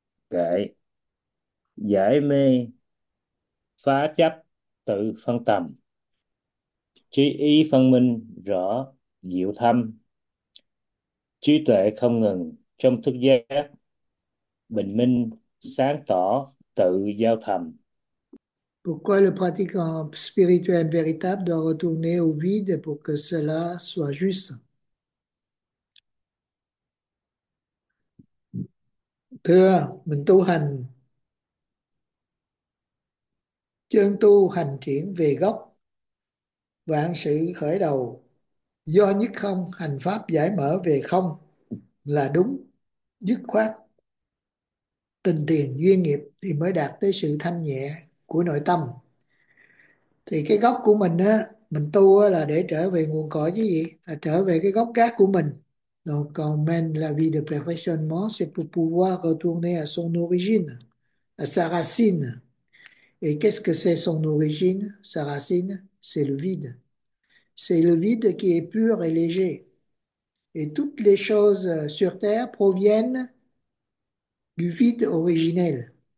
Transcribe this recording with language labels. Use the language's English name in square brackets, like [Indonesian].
[Vietnamese] Kệ: giải mê phá chấp tự phân tầm, trí ý phân minh rõ diệu thâm, trí tuệ không ngừng trong thức giác, bình minh sáng tỏ tự giao thầm. [French] Pourquoi le pratiquant spirituel véritable doit retourner au vide pour que cela soit juste? [Vietnamese] Tu hành. Chân tu hành chuyển về gốc. Vạn sự khởi đầu. Do nhất không, hành pháp giải mở về không là đúng. Dứt khoát. Tình tiền duyên nghiệp thì mới đạt tới sự thanh nhẹ của nội tâm. Thì cái gốc của mình á, mình tu á, là để trở về nguồn cội chứ gì, là trở về cái gốc gác của mình. [French] Donc, [Vietnamese] còn mình là vì [French] de perfectionnement, c'est pour pouvoir retourner à son origine, à sa racine. Et qu'est-ce que c'est son origine, sa racine? C'est le vide. C'est le vide qui est pur et léger. Et toutes les choses sur Terre proviennent du vide originel.